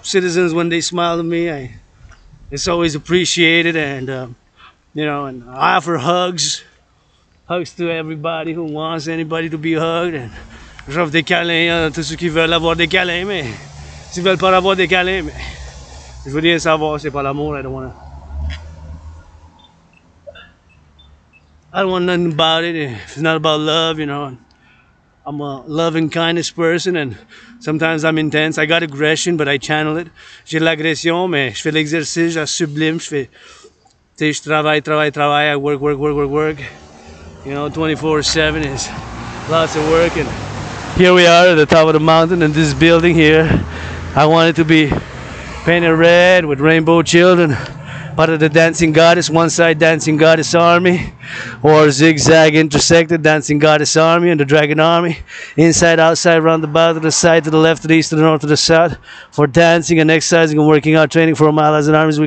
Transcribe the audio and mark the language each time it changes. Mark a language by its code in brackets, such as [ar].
[en] Citizens, when they smile at me, it's always appreciated, and you know, and I offer hugs to everybody who wants anybody to be hugged, and [fr] je offre des câlins à tous ceux qui veulent avoir des câlins, mais si veulent pas avoir des câlins, mais je veux bien savoir, c'est pas l'amour, [en] I don't wanna. I don't want nothing about it. If it's not about love, you know, I'm a loving kindness person, and sometimes I'm intense. I got aggression, but I channel it. [fr] J'ai l'agression, mais je fais l'exercice, je sublime, je fais, tu sais, je travaille, [en] I work. You know, 24/7 is lots of work, and here we are at the top of the mountain, and this building here, I want it to be painted red with rainbow children, part of the dancing goddess, one side dancing goddess army, or zigzag intersected dancing goddess army and the dragon army, inside, outside, round the bottom, to the side, to the left, to the east, to the north, to the south, for dancing and exercising and working out, training for my allies and armies.